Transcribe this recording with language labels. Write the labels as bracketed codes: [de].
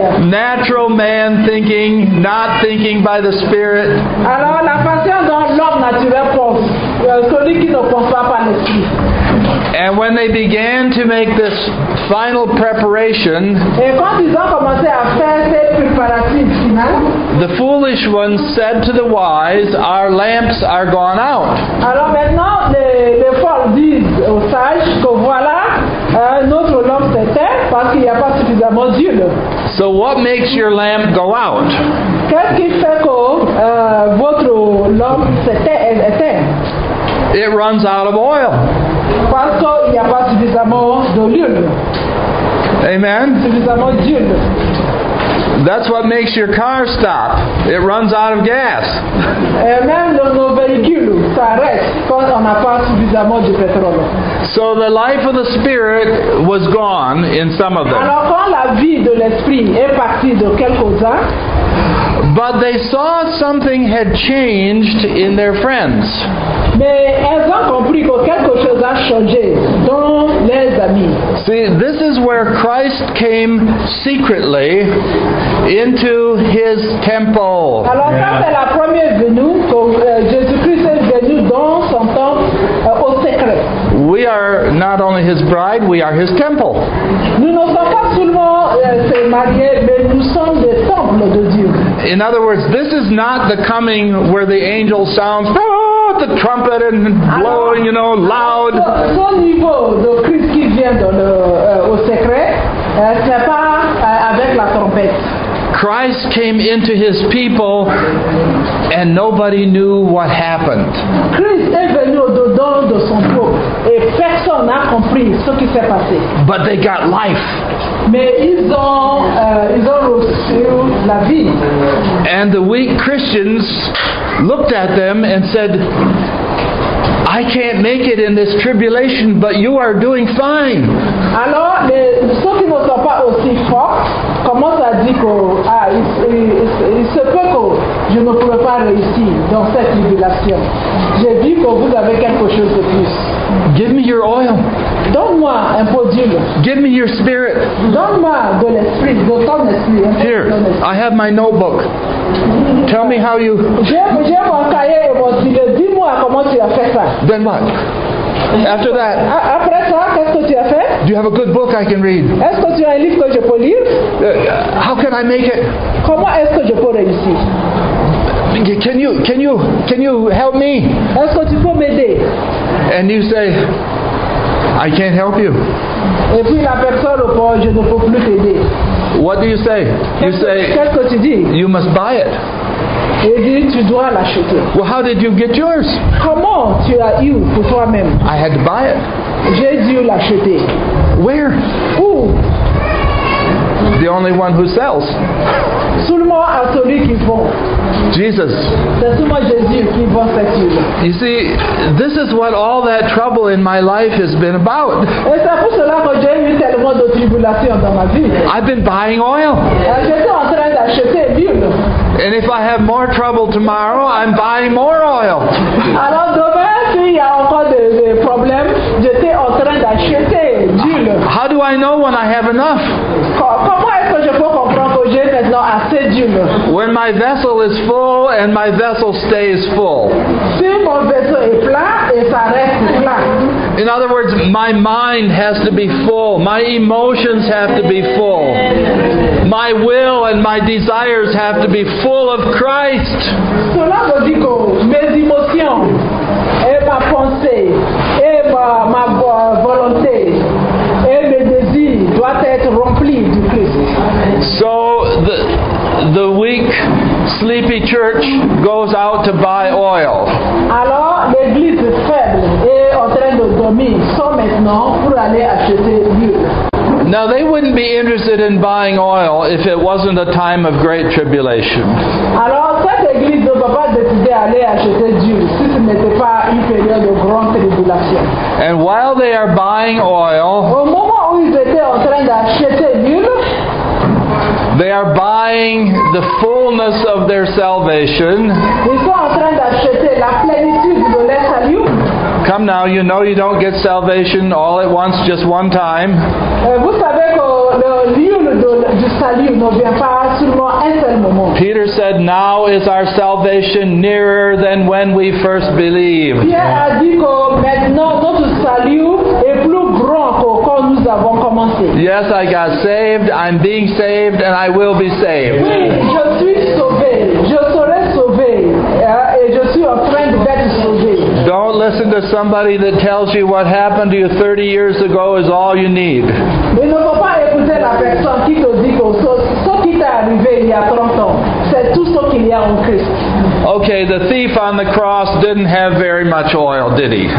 [en] Natural man thinking, not thinking by the Spirit. [fr] Alors la façon dont l'homme naturel pense, celui qui ne pense pas par l'esprit. [en] And when they began to make this final preparation, [fr] et quand ils ont commencé à faire ces préparatifs finaux, [en] the foolish ones said to the wise, "Our lamps are gone out." [fr] Alors maintenant, les folles disent aux sages que voilà, notre lampe s'éteint parce qu'il n'y a pas suffisamment d'huile. [en] So what makes your lamp go out? [fr] Qu'est-ce qui fait que votre lampe s'éteint? [en] It runs out of oil. [fr] Parce qu'il n'y a pas suffisamment d'huile. [en] Amen. [fr] Suffisamment d'huile. [en] That's what makes your car stop. It runs out of gas. [fr] Et même dans nos véhicules, ça reste quand on n'a pas suffisamment de pétrole. [en] So the life of the Spirit was gone in some of them. [fr] Alors quand la vie de l'esprit est partie de quelques-uns, [en] but they saw something had changed in their friends. [fr] Mais elles ont compris que quelque chose a changé dans les amis. [en] See, this is where Christ came secretly into his temple. [fr] Alors ça, c'est la première venue que Jésus-Christ est venu dans son temple au secret. [en] We are not only his bride, we are his temple. [fr] Nous ne sommes pas seulement ses mariés, mais nous sommes des temples de Dieu. [en] In other words, this is not the coming where the angel sounds the trumpet and blowing, you know, loud. [fr] Ce niveau de Christ qui vient dans le, au secret, c'est pas avec la trompette. [en] Christ came into his people and nobody knew what happened. [fr] Christ est venu au-dedans de son peuple et personne n'a compris ce qui s'est passé. [en] But they got life. [fr] Mais ils ont reçu la vie. [en] And the weak Christians looked at them and said, "I can't make it in this tribulation, but you are doing fine." [fr] Alors, ceux qui ne sont pas aussi forts commencent à dire qu'il se peut que je ne pourrais pas réussir dans cette tribulation. J'ai dit que vous avez quelque chose de plus. [en] Give me your oil. [fr] Donne-moi un peu d'huile. [en] Give me your spirit. [fr] Donne-moi de l'esprit, de ton esprit. [en] Here, I have my notebook. Tell me how you... [fr] J'ai mon cahier et mon stylo. Dis-moi comment tu as fait ça. [en] Then what? After that. [fr] Après ça, qu'est-ce que tu as fait? [en] Do you have a good book I can read? [fr] Est-ce que tu as un livre que je peux lire? [en] How can I make it? [fr] Comment est-ce que je peux réussir? [en] Can you help me? [fr] Est-ce que tu peux m'aider? [en] And you say, "I can't help you." [fr] Et puis la personne répond, je ne peux plus t'aider. [en] What do you say? You say, [fr] qu'est-ce que tu dis? [en] You must buy it. [fr] Et dit, tu dois l'acheter. [en] Well, how did you get yours? [fr] Comment tu as eu pour toi-même? [en] I had to buy it. [fr] J'ai dû l'acheter. [en] Where? [fr] Où? [en] The only only one who sells. [fr] Seulement à celui qui vend. [en] Jesus. [fr] C'est seulement Jésus qui vend cette huile. [en] You see, this is what all that trouble in my life has been about. [fr] Et c'est pour cela que j'ai eu tellement de tribulations dans ma vie. [en] I've been buying oil. [fr] J'étais en train d'acheter l'huile. [en] And if I have more trouble tomorrow, I'm buying more oil. [fr] Alors demain, s'il y a encore des problèmes, j'étais en train d'acheter d'huile. [en] How do I know when I have enough? [fr] Comment est-ce que je peux comprendre que j'ai maintenant assez d'huile? [en] When my vessel is full and my vessel stays full. [fr] Si mon vaisseau est plein et ça reste plein. [en] In other words, my mind has to be full. My emotions have to be full. My will and my desires have to be full of Christ. [fr] Cela veut dire que mes émotions et ma pensée et ma volonté et mes désirs doivent être remplis du Christ. [en] So the weak, sleepy church goes out to buy oil. [fr] Alors l'église faible est en train de dormir sans maintenant pour aller acheter l'huile. [en] Now they wouldn't be interested in buying oil if it wasn't a time of great tribulation. [fr] Alors cette église ne va pas décider d'aller acheter d'huile si ce n'était pas une période de grande tribulation. [en] And while they are buying oil, [fr] au moment où ils étaient en train d'acheter d'huile, [en] they are buying the fullness of their salvation. [fr] Ils sont en train d'acheter la plénitude de leur salut. [en] Come now, you know you don't get salvation all at once, just one time. [fr] Vous savez que l'huile du salut ne vient pas seulement un seul moment. [en] Peter said, now is our salvation nearer than when we first believed. [fr] Pierre a dit que maintenant notre salut est plus grand que quand nous avons commencé. [en] Yes, I got saved, I'm being saved, and I will be saved. [fr] Oui, je suis sauvé, je serai sauvé, et je suis en train d'être sauvé. [en] Don't listen to somebody that tells you what happened to you 30 years ago is all you need. [fr] Mais ne faut pas écouter la personne qui te dit que ce qui t'est arrivé il y a 30 ans, c'est tout ce qu'il y a en Christ. [en] Okay, the thief on the cross didn't have very much oil, did he?